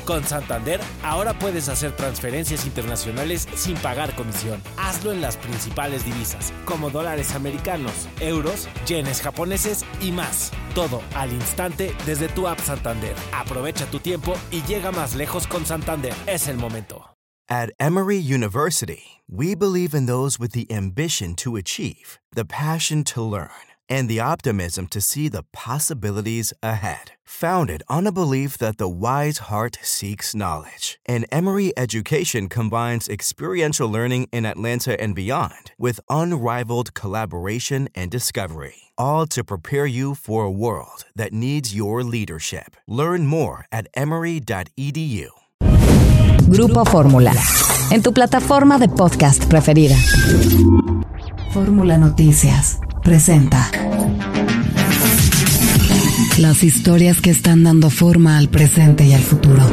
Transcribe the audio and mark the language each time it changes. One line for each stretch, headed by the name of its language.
Spanish: Con Santander, ahora puedes hacer transferencias internacionales sin pagar comisión. Hazlo en las principales divisas, como dólares americanos, euros, yenes japoneses y más. Todo al instante desde tu app Santander. Aprovecha tu tiempo y llega más lejos con Santander. Es el momento.
English: At Emory University, we believe in those with the ambition to achieve, the passion to learn, and the optimism to see the possibilities ahead. Founded on a belief that the wise heart seeks knowledge, an Emory education combines experiential learning in Atlanta and beyond with unrivaled collaboration and discovery, all to prepare you for a world that needs your leadership. Learn more at emory.edu.
Spanish: Grupo Fórmula, en tu plataforma de podcast preferida. Fórmula Noticias presenta las historias que están dando forma al presente y al futuro.